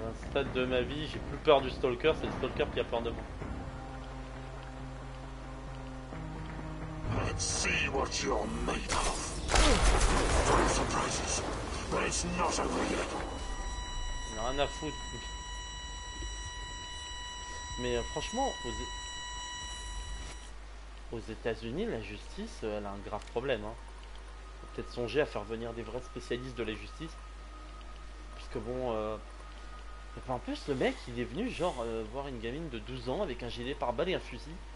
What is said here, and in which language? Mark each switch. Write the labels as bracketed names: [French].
[French] Stade de ma vie, j'ai plus peur du stalker, c'est le stalker qui a peur de moi. [English] Let's see what you're made of. Three surprises, but it's not over yet. [French] Il y a rien à foutre. Mais franchement, aux États-Unis, la justice, elle a un grave problème. Hein. Faut peut-être songer à faire venir des vrais spécialistes de la justice. Puisque bon. En plus, le mec, il est venu, genre, voir une gamine de 12 ans avec un gilet pare-balles et un fusil.